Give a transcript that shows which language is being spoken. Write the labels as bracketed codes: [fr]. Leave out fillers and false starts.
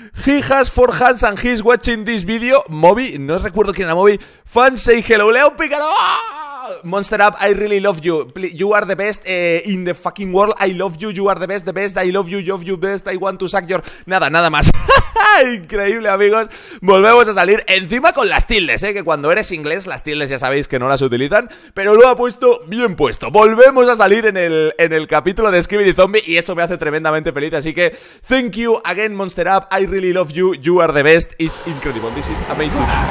[en] He has four hands and he's watching this video. [es] Moby, no recuerdo quién era Moby. [en] Fans say hello, [es] Leo Picado. ¡Ah! [en] Monster Up, I really love you. Please, you are the best in the fucking world. I love you, you are the best, I love you, you love you best, I want to suck your... [es] Nada, nada más. Increíble, amigos. Volvemos a salir encima con las tildes, que cuando eres inglés las tildes ya sabéis que no las utilizan, pero lo ha puesto bien puesto. Volvemos a salir en el capítulo de Skibidi Zombie y eso me hace tremendamente feliz, así que [en] thank you again, Monster Up, I really love you, you are the best, it's incredible, this is amazing.